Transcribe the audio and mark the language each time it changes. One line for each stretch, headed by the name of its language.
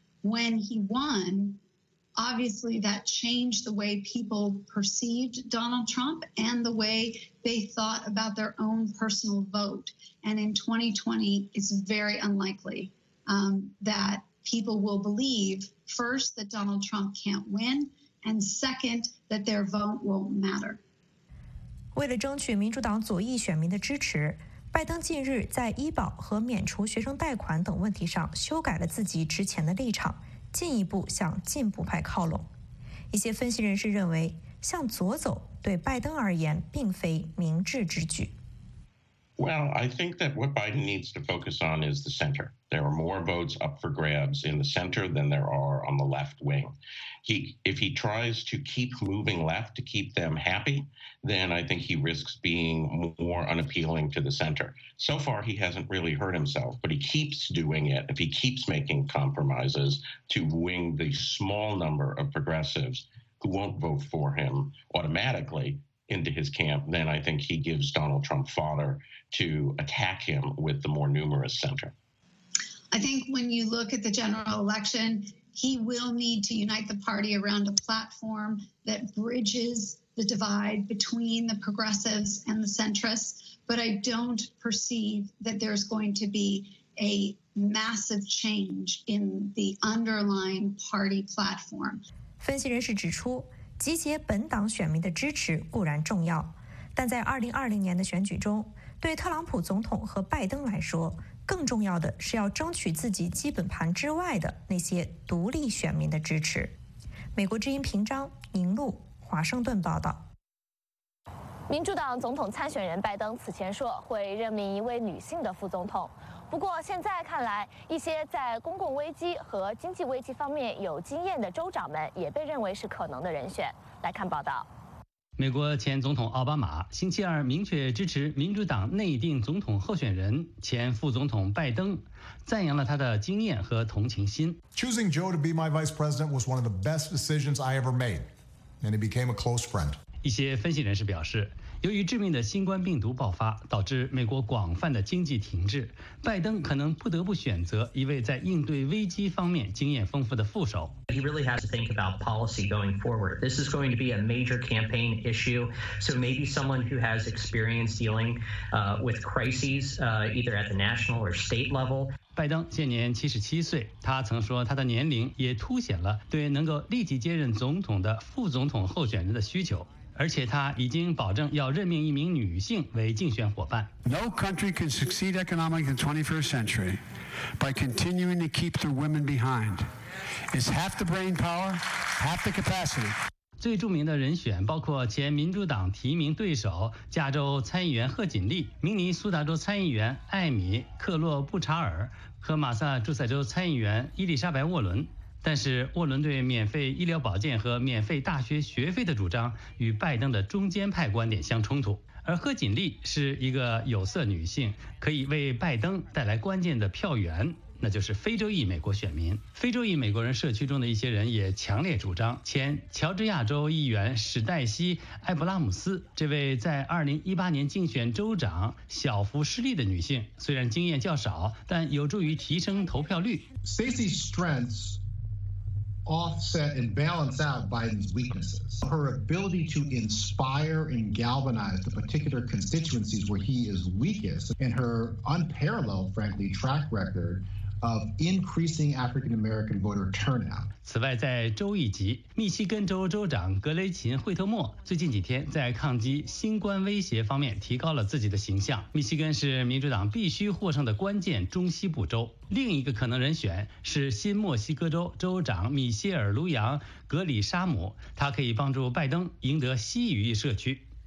English: When he won, obviously that changed the way people perceived Donald Trump and the way they thought about their own personal vote. And in 2020, it's very unlikely that people will believe, first, that Donald Trump can't win, and second, that their vote won't matter.
Chinese: 为了争取民主党左翼选民的支持，拜登近日在医保和免除学生贷款等问题上修改了自己之前的立场，进一步向进步派靠拢。一些分析人士认为，向左走对拜登而言并非明智之举。
English: Well, I think that what Biden needs to focus on is the center. There are more votes up for grabs in the center than there are on the left wing. If he tries to keep moving left to keep them happy, then I think he risks being more unappealing to the center. So far, he hasn't really hurt himself, but he keeps doing it. If he keeps making compromises to win the small number of progressives who won't vote for him automatically into his camp, then I think he gives Donald Trump fodder to attack him with the more numerous center. I think when you look at the general election, he will need to unite the party around a platform that bridges the divide between the progressives and the centrists. But I don't perceive that there's going to be a massive change in the underlying party platform.
Chinese: 分析人士指出，集结本党选民的支持固然重要，但在2020年的选举中，对特朗普总统和拜登来说，更重要的是要争取自己基本盘之外的那些独立选民的支持。美国之音评章宁露，华盛顿报道。民主党总统参选人拜登此前说会任命一位女性的副总统，不过现在看来，一些在公共危机和经济危机方面有经验的州长们也被认为是可能的人选。来看报道。美国前总统奥巴马星期二明确支持民主党内定总统候选人前副总统拜登，赞扬了他的经验和同情心。
English: Choosing Joe to be my vice president was one of the best decisions I ever made, and he became a close friend.
Chinese: 一些分析人士表示，由于致命的新冠病毒爆发，导致美国广泛的经济停滞，拜登可能不得不选择一位在应对危机方面经验丰富的副手。
English: He really has to think about policy going forward. This is going to be a major campaign issue, so maybe someone who has experience dealing with crises, either at the national or state level.
Chinese: 拜登现年77岁，他曾说他的年龄也凸显了对能够立即接任总统的副总统候选人的需求。而且他已经保证要任命一名女性为竞选伙伴。
English: No country can succeed economically in the 21st century by continuing to keep the women behind. It's half the brain power, half the capacity.
Chinese: 最著名的人选包括前民主党提名对手加州参议员贺锦丽、明尼苏达州参议员艾米·克洛布查尔和马萨诸塞州参议员伊丽莎白·沃伦。但是沃伦对免费医疗保健和免费大学学费的主张与拜登的中间派观点相冲突，而贺锦丽是一个有色女性，可以为拜登带来关键的票源。那就是非洲裔美国选民。非洲裔美国人社区中的一些人也强烈主张前乔治亚州议员史黛西·艾布拉姆斯，这位在2018年竞选州长小幅失利的女性，虽然经验较少，但有助于提升投票率。
English: Stacey's strengths offset and balance out Biden's weaknesses. Her ability to inspire and galvanize the particular constituencies where he is weakest, and her unparalleled, frankly, track record of increasing African-American voter turnout.
Chinese: 此外，在州一级，密西根州州长格雷琴·惠特莫最近几天在抗击新冠威胁方面提高了自己的形象。密西根是民主党必须获胜的关键中西部州。另一个可能人选是新墨西哥州州长米歇尔·卢扬·格里沙姆，他可以帮助拜登赢得西语裔社区。